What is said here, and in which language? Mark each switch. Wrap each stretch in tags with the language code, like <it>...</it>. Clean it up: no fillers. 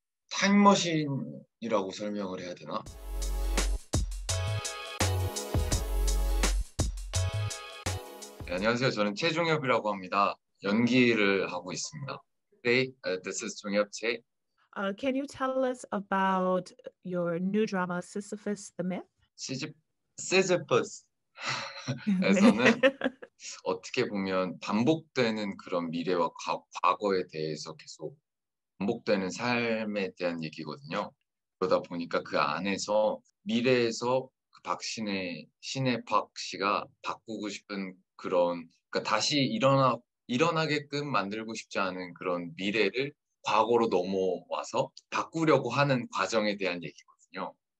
<ko>타임머신이라고 설명을 해야 되나? 네, 안녕하세요. 저는 최종엽이라고 합니다. 연기를 하고 있습니다.</ko> <en>Hey, this is</en> <ko>종엽 제.</ko> <en>Can you tell us about your new drama, Sisyphus the Myth?</en> <ko>시지프스에서는 어떻게 보면 반복되는 그런 미래와 과거에 대해서 계속 반복되는 삶에 대한 얘기거든요. 그러다 보니까 그 안에서 미래에서 신의 박 씨가 바꾸고 싶은 그런, 그러니까 다시 일어나게끔 만들고 싶지 않은 그런 미래를 과거로 넘어와서 바꾸려고 하는 과정에 대한 얘기거든요.</ko>